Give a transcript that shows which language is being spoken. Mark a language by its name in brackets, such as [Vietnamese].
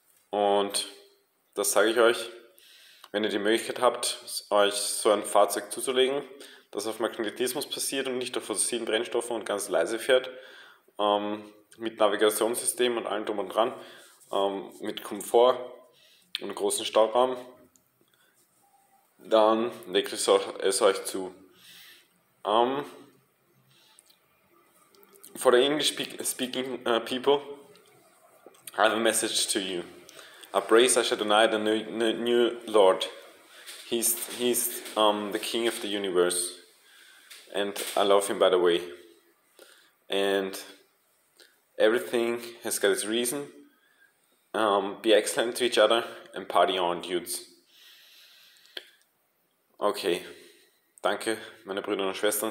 [German] Und das sage ich euch, wenn ihr die Möglichkeit habt, euch so ein Fahrzeug zuzulegen, das auf Magnetismus basiert und nicht auf fossilen Brennstoffen und ganz leise fährt, mit Navigationssystem und allem drum und dran, mit Komfort und großen Stauraum, dann legt es euch zu. [English] For the English-speaking people, I have a message to you. I praise Ashadonai, the new Lord. He's the King of the Universe. And I love him, by the way. And everything has got its reason. Be excellent to each other and party on, dudes. [German] Okay, danke, meine Brüder und Schwestern.